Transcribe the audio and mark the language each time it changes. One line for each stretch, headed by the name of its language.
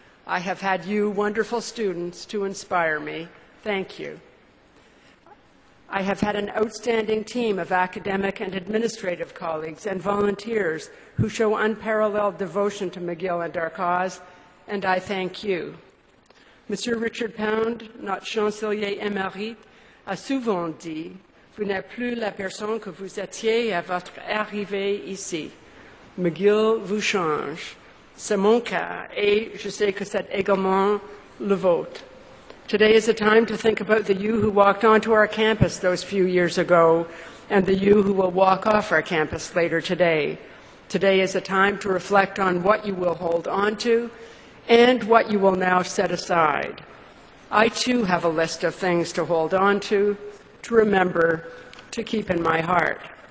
English: I have had you wonderful students to inspire me. Thank you. I have had an outstanding team of academic and administrative colleagues and volunteers who show unparalleled devotion to McGill and our cause, and I thank you.
French: Monsieur Richard Pound, notre chancelier émérite, a souvent dit, vous n'êtes plus la personne que vous étiez à votre arrivée ici. McGill vous change. C'est mon cas, et je sais que c'est également le vôtre.
English: Today is a time to think about the you who walked onto our campus those few years ago and the you who will walk off our campus later today. Today is a time to reflect on what you will hold onto and what you will now set aside. I too have a list of things to hold on to remember, to keep in my heart.